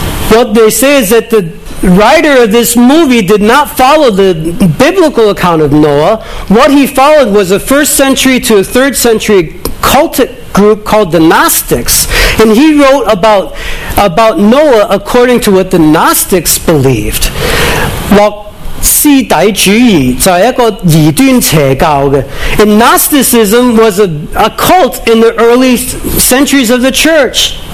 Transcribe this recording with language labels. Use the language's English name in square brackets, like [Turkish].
[English] What they say is that the writer of this movie did not follow the biblical account of Noah. What he followed was a first century to a third century cultic group called the Gnostics, and he wrote about Noah according to what the Gnostics believed. [Cantonese] 洛斯底主义就系一个异端邪教嘅。 [English] And Gnosticism was a cult in the early centuries of the church.